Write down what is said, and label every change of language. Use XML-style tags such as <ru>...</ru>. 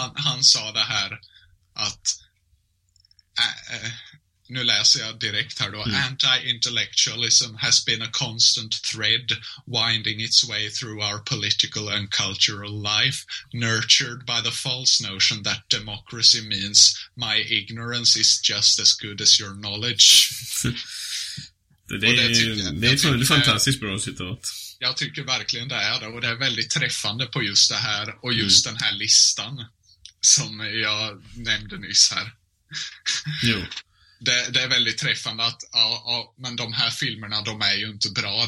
<sv>Han sa det här att, nu läser jag direkt här då.</sv> <en>Anti-intellectualism has been a constant thread winding its way through our political and cultural life, nurtured by the false notion that democracy means my ignorance is just as good as your knowledge.</en> <sv>det är fantastiskt bra citat. Jag tycker verkligen det är det, och det är väldigt träffande på just det här och just den här listan som jag nämnde nyss här. Jo. Det är väldigt träffande att men de här filmerna, de är ju inte bra.</sv>